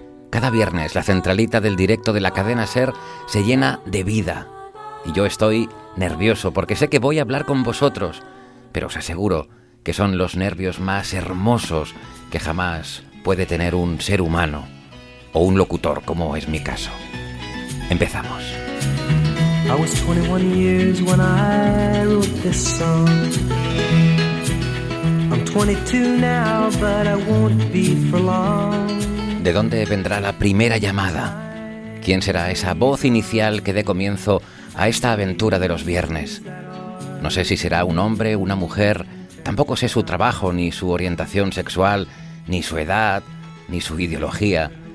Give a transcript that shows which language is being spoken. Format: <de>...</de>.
<es>Cada viernes la centralita del directo de la cadena SER se llena de vida. Y yo estoy nervioso porque sé que voy a hablar con vosotros, pero os aseguro que son los nervios más hermosos que jamás puede tener un ser humano o un locutor, como es mi caso. Empezamos.</es> <en>I was 21 years when I wrote this song. I'm 22 now, but I won't be for long.</en> <es>¿De dónde vendrá la primera llamada? ¿Quién será esa voz inicial que dé comienzo a esta aventura de los viernes? No sé si será un hombre, una mujer, tampoco sé su trabajo, ni su orientación sexual, ni su edad, ni su ideología.</es>